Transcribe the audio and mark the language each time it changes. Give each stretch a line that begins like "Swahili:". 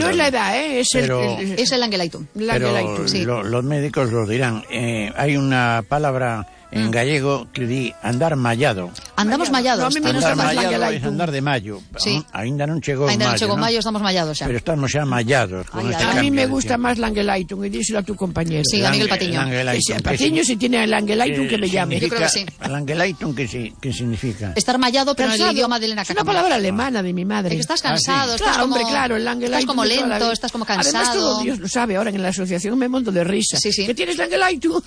Spanish: Y no es la edad, ¿eh? Es el
German: Langeleitung.
Spanish: Pero los médicos lo dirán. Hay una palabra en gallego que di andar mallado. Andamos mallados.
Galician: Andar de mayo. Sí. Ainda non chegou mayo. Ainda non chegou mayo, estamos mallados xa. Pero estamos xa mallados. A mí me gusta máis Langeleitun, e díselo a tu compañero.
Spanish: Sí, a Miguel Patiño. Patiño, se tiene Langeleitun, que me llame. Yo creo que sí. Langeleitun, que significa? Estar mallado, pero en el idioma de Elena Cacamba. Es una palabra alemana de mi madre. Estás cansado. Claro, hombre, claro. Estás como lento, estás como cansado. Además, todo Dios lo sabe ahora en la asociación, me monto de risa. Sí, sí. ¿Qué tienes Langeleitun?